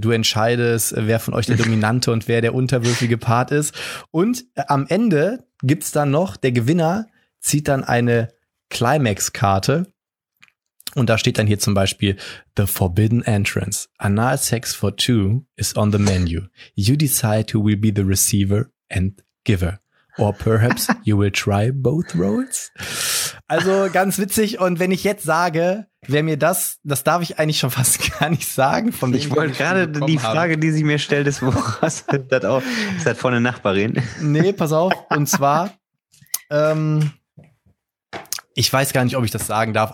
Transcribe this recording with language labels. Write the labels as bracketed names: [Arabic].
[German] Du entscheidest, wer von euch der Dominante und wer der unterwürfige Part ist. Und am Ende gibt's dann noch, der Gewinner zieht dann eine Climax-Karte. Und da steht dann hier zum Beispiel, [English] the forbidden entrance. Anal sex for two is on the menu. You decide who will be the receiver and giver. Or perhaps you will try both roles. [German] Also ganz witzig. Und wenn ich jetzt sage, wer mir das, das darf ich eigentlich schon fast gar nicht sagen. Von ich wollte gerade die Frage, habe. Die sie mir stellt, ist, wo hast du das auch? Ist das von der Nachbarin? Nee, pass auf. Und zwar, ich weiß gar nicht, ob ich das sagen darf.